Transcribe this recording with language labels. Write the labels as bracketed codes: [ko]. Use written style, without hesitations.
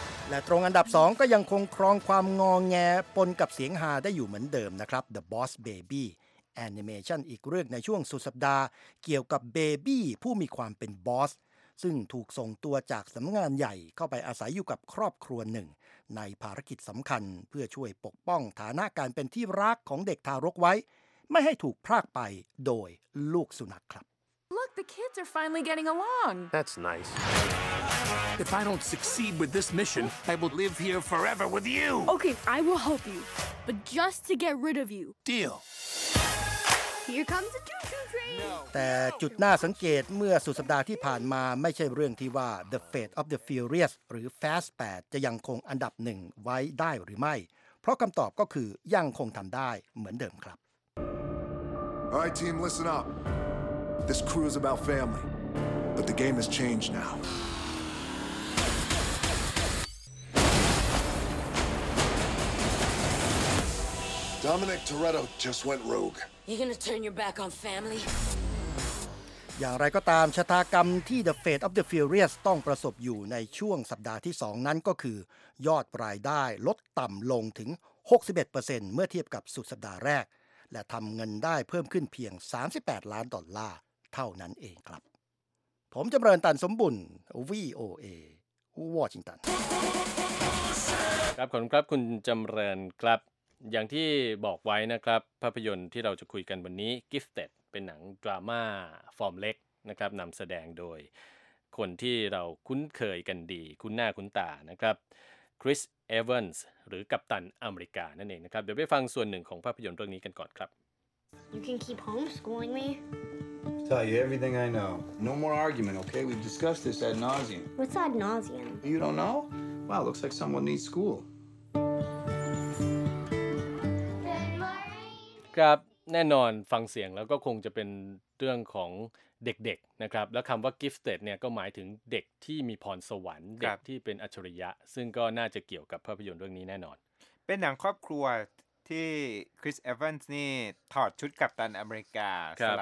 [th] และตรงอันดับ2ก็ยังคงครองความงองแงปนกับเสียงฮาได้อยู่เหมือนเดิมนะครับ The Boss Baby Animation อีกเรื่องในช่วงสุดสัปดาห์เกี่ยวกับเบบี้ผู้มีความเป็นบอสซึ่งถูกส่งตัวจากสำนักงานใหญ่เข้าไปอาศัยอยู่กับครอบครัวหนึ่งในภารกิจสำคัญเพื่อช่วยปกป้องฐานะการเป็นที่รักของเด็กทารกไว้ไม่ให้ถูกพรากไปโดยลูกสุนัขครับ [en] Look, the kids are finally getting along. That's nice. If I don't succeed with this mission, I will live here forever with you. Okay, I will help you, but just to get rid of you. Deal. Here comes the choo-choo train. [th] แต่จุดน่าสังเกตเมื่อสุดสัปดาห์ที่ผ่านมาไม่ใช่เรื่องที่ว่า The Fate of the Furious หรือ Fast 8จะยังคงอันดับหนึ่งไว้ได้หรือไม่เพราะคำตอบก็คือยังคงทำได้เหมือนเดิมครับ [en] All right, team, listen up. This crew is about family, but the game has changed now. Dominic Toretto just went rogue. You're gonna turn your back on family? [th] อย่างไรก็ตามชะตากรรมที่ The Fate of the Furious ต้องประสบอยู่ในช่วงสัปดาห์ที่2นั้นก็คือยอดรายได้ลดต่ำลงถึง 61% เมื่อเทียบกับสุดสัปดาห์แรกและทำเงินได้เพิ่มขึ้นเพียง$38 ล้านเท่านั้นเองครับผมจำเริญตันสมบุญ VOA วอชิงตัน ครับขอบคุณครับคุณจำเริญครับอย่างที่บอกไว้นะครับภาพยนตร์ที่เราจะคุยกันวันนี้ Gifted เป็นหนังดราม่าฟอร์มเล็กนะครับนำแสดงโดยคนที่เราคุ้นเคยกันดีคุ้นหน้าคุ้นตานะครับคริสเอเวนส์หรือกัปตันอเมริกานั่นเองนะครับเดี๋ยวไปฟังส่วนหนึ่งของภาพยนตร์เรื่องนี้กันก่อนครับ [en] You can keep homeschooling me Tell you everything I know. No more argument, okay? We've discussed this ad nauseum. What's ad nauseum? You don't know? Wow, looks like someone needs school. [th] ครับแน่นอนฟังเสียงแล้วก็คงจะเป็นเรื่องของเด็กๆนะครับแล้วคำว่า gifted เนี่ยก็หมายถึงเด็กที่มีพรสวรรค์เด็กที่เป็นอัจฉริยะซึ่งก็น่าจะเกี่ยวกับภาพยนตร์เรื่องนี้แน่นอน เป็นหนังครอบครัวที่คริสเอเวนส์นี่ถอดชุดกัปตันอเมริกาสล